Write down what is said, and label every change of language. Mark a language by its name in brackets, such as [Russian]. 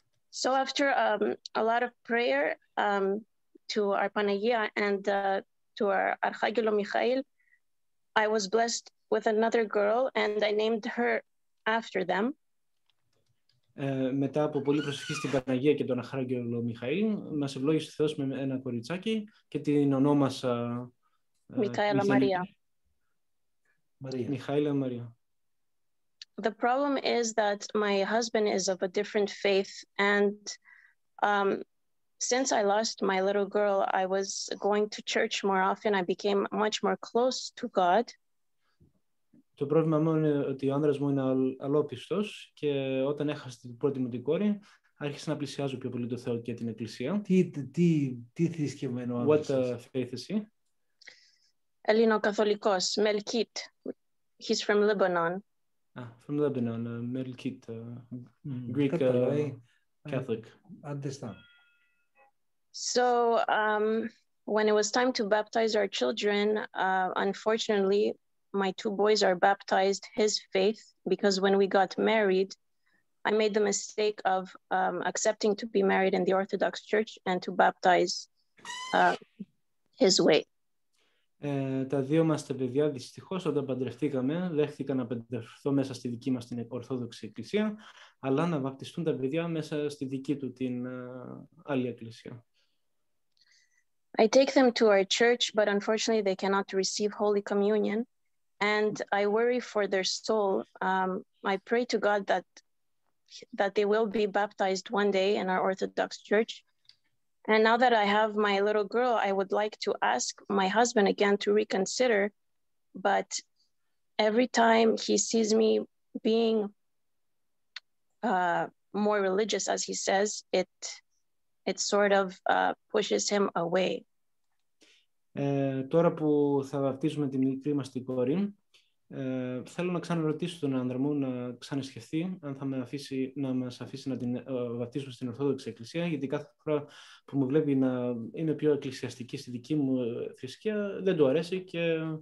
[English] So after a lot of prayer to our Panagia and to our Archangelo Michael, I was blessed with another girl and I named her after them. [Greek] Μετά από πολύ προσευχή στην Παναγία και τον Αρχάγγελο Μιχαήλ, μας ευλόγησε ο Θεός με ένα κοριτσάκι και την ονόμασα Μιχαήλα Μαρία. Μιχαήλα Μαρία. [English] The problem is that my husband is of a different faith, and since I lost my little girl, I was going to church more often. I became much more close to God. [Greek] Το πρόβλημα μου είναι ότι ο άνδρας μου είναι αλλόπιστος και όταν έχασε την πρώτη μου την κόρη, άρχισα να πλησιάζω πιο πολύ τον Θεό και την Εκκλησία. Τι θρησκευμένο άνδρας? [English] What faith is he? [Greek] Ελληνοκαθολικός, Μελκίτ. [English] He's from Lebanon. From Lebanon, Melkit, Greek Catholic. Understand. So when it was time to baptize our children, unfortunately, my two boys are baptized his faith, because when we got married, I made the mistake of accepting to be married in the Orthodox Church and to baptize his way. [Greek] Τα δύο μας τα παιδιά, δυστυχώς, όταν παντρευτήκαμε, δέχτηκαν να παντρευθώ μέσα στη δική μας την Ορθόδοξη Εκκλησία, αλλά να βαπτιστούν τα παιδιά μέσα στη δική του την άλλη Εκκλησία. [English] I take them to our church, but unfortunately they cannot receive Holy Communion, and I worry for their soul. I pray to God that they will be baptized one day in our Orthodox Church. And now that I have my little girl, I would like to ask my husband again to reconsider, but every time he sees me being more religious, as he says, it sort of pushes him away. [Greek] Τώρα που θα βαπτίσουμε τη μικρή μας την κόρη, θέλω να ξαναρωτήσω τον άνδρα μου να ξανασκεφτεί αν θα με αφήσει, να μας αφήσει να την βαπτίσουμε στην Ορθόδοξη Εκκλησία, γιατί κάθε φορά που μου βλέπει να είναι πιο εκκλησιαστική στη δική μου θρησκεία, δεν του αρέσει και...